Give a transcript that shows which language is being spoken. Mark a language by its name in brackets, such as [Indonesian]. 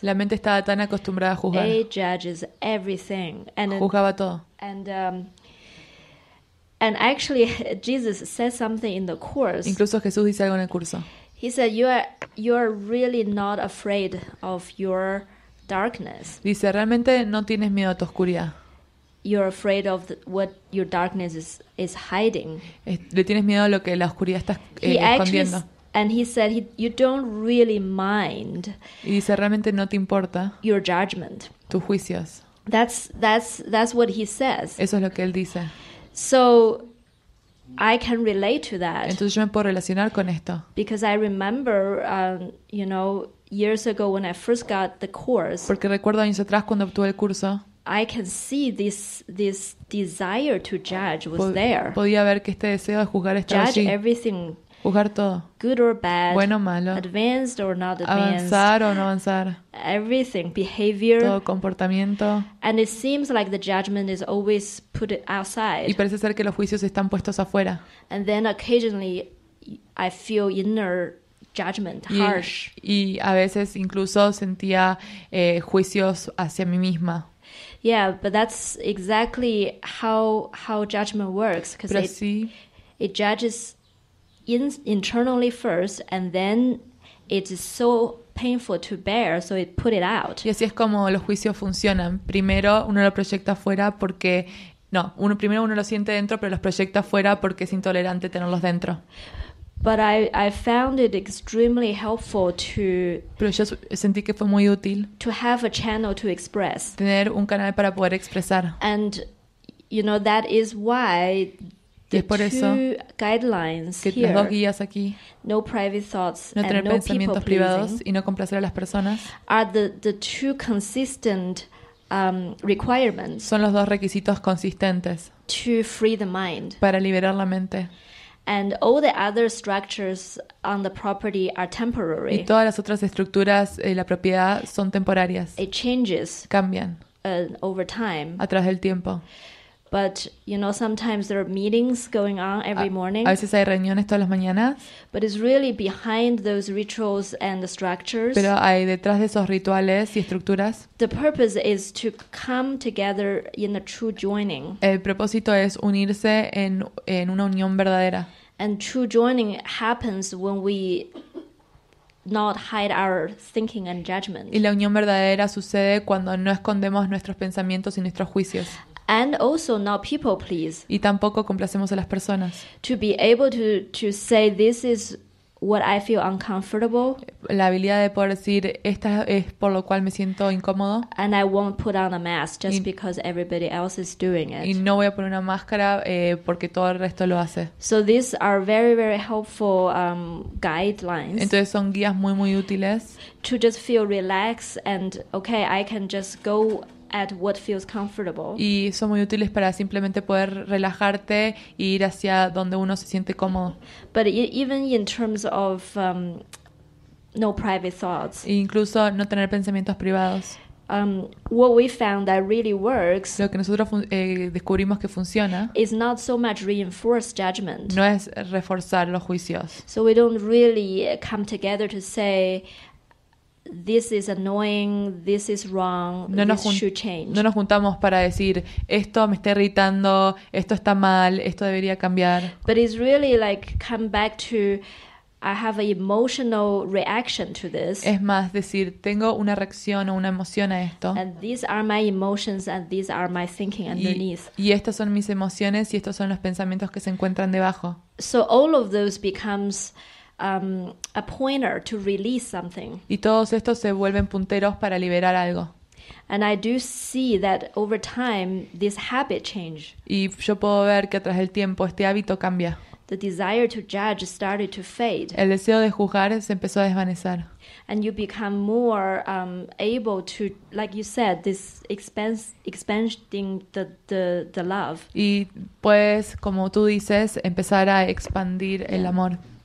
[Spanish] La mente estaba tan acostumbrada a juzgar. [English] It judges everything. [Spanish] And juzgaba todo. [English] And actually, Jesus said something in the course. [Spanish] Incluso Jesús dice algo en el curso. [English] He said, you are really not afraid of your darkness. [Spanish] Dice, realmente no tienes miedo a tu oscuridad. [English] You're afraid of what your darkness is hiding. [Spanish] Le tienes miedo a lo que la oscuridad está escondiendo. [English] And he said you don't really mind. [Spanish] Y dice realmente no te importa. [English] Your judgment. [Spanish] Tus juicios. [English] That's what he says. [Spanish] Eso es lo que él dice. [English] So I can relate to that. [Spanish] Entonces yo me puedo relacionar con esto. [English] Because I remember, you know, years ago when I first got the course. [Spanish] Porque recuerdo años atrás cuando obtuve el curso. [English] I can see this desire to judge was there. [Spanish] Podía ver que este deseo de juzgar estaba allí. [English] Judge everything. [Spanish] Juzgar todo. [English] Good or bad. [Spanish] Bueno o malo. [English] Advanced or not advanced. [Spanish] Avanzar o no avanzar. [English] Everything. Behavior. [Spanish] Todo comportamiento. [English] And it seems like the judgment is always put outside. [Spanish] Y parece ser que los juicios están puestos afuera. [English] And then occasionally I feel inner judgment, harsh. [Spanish] Y a veces incluso sentía juicios hacia mí misma. [English] Yeah, but that's exactly how judgment works, because it judges internally first, and then it's so painful to bear, so it put it out. [Spanish] Y así es como los juicios funcionan. Primero uno lo proyecta afuera porque no, uno primero uno lo siente dentro, pero los proyecta afuera porque es intolerante tenerlos dentro. [English] But I found it extremely helpful to. [Spanish] Pero yo sentí que fue muy útil. [English] To have a channel to express. [Spanish] Tener un canal para poder expresar. [English] And, you know, that is why the two guidelines [Spanish] que [English] here. [Spanish] Las dos guías aquí. [English] No private thoughts [Spanish] no [English] and no [Spanish] pensamientos privados y no complacer a las personas. [English] Are the two consistent requirements. [Spanish] Son los dos requisitos consistentes. [English] To free the mind. [Spanish] Para liberar la mente. [English] And all the other structures on the property are temporary. [Spanish] Y todas las otras estructuras de la propiedad son temporarias. [English] It changes. [Spanish] Cambian. [English] Over time. [Spanish] A través del tiempo. [English] But you know, sometimes there are meetings going on every morning. [Spanish] A veces hay reuniones todas las mañanas. [English] But it's really behind those rituals and the structures. [Spanish] Pero hay detrás de esos rituales y estructuras. [English] The purpose is to come together in a true joining. [Spanish] El propósito es unirse en una unión verdadera. [English] And true joining happens when we not hide our thinking and judgment. [Spanish] Y la unión verdadera sucede cuando no escondemos nuestros pensamientos y nuestros juicios. [English] And also not people please. [Spanish] Y tampoco complacemos a las personas. [English] To be able to say this is what I feel uncomfortable. [Spanish] La habilidad de poder decir esta es por lo cual me siento incómodo. [English] And I won't put on a mask just because everybody else is doing it. [Spanish] Y no voy a poner una máscara porque todo el resto lo hace. [English] So these are very very helpful guidelines. [Spanish] Entonces son guías muy muy útiles. [English] To just feel relaxed and okay, I can just go at what feels comfortable. [Spanish] Y son muy útiles para simplemente poder relajarte e ir hacia donde uno se siente cómodo. [English] But even in terms of no private thoughts. [Spanish] E incluso no tener pensamientos privados. [English] What we found that really works, [Spanish] lo que nosotros descubrimos que funciona, [English] is not so much reinforced judgment. [Spanish] No es reforzar los juicios. [English] So we don't really come together to say, this is annoying, this is wrong, [Spanish] no [English] this should change. [Spanish] No nos juntamos para decir, esto me está irritando, esto está mal, esto debería cambiar. [English] But it's really like come back to, I have an emotional reaction to this. [Spanish] Es más, decir, tengo una reacción o una emoción a esto. [English] And these are my emotions and these are my thinking underneath. [Spanish] Y estas son mis emociones y estos son los pensamientos que se encuentran debajo. [English] So all of those becomes a pointer to release something. [Spanish] Y todos estos se vuelven punteros para liberar algo. [English] And I do see that over time this habit change. [Spanish] Y yo puedo ver que tras el tiempo este hábito cambia. [English] The desire to judge started to fade. [Spanish] El deseo de juzgar se empezó a desvanecer. [English] And you become more able to, like you said, this expanding the love. [Spanish] Y puedes, como tú dices, empezar a expandir el amor.